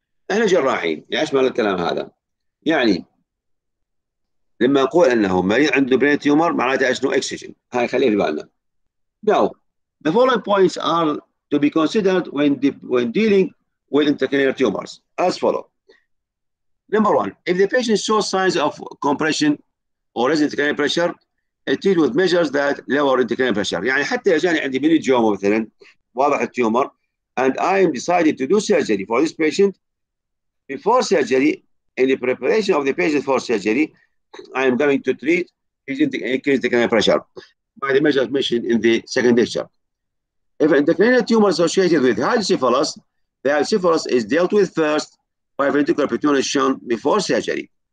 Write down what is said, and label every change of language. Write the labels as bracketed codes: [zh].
[ar] احنا جراحين، يشمل الكلام هذا. يعني لما نقول انه مريض عنده برين تيومر معناته ايش نو اكسجين، هاي خليه في بالنا. [en] Now, the following points are to be considered when dealing with intracranial tumors as follow. Number one, if the patient shows signs of compression or raised intracranial pressure, it treat with measures that lower intracranial pressure. [ar] يعني حتى اذا جاني عندي ميني جيوما مثلا واضح التيومر [en] and I am decided to do surgery for this patient. Before surgery, in the preparation of the patient for surgery, I am going to treat his intracranial pressure by the measures mentioned in the second lecture. If an intracranial tumor associated with hydrocephalus, the hydrocephalus is dealt with first by ventricular perfusion shown before surgery.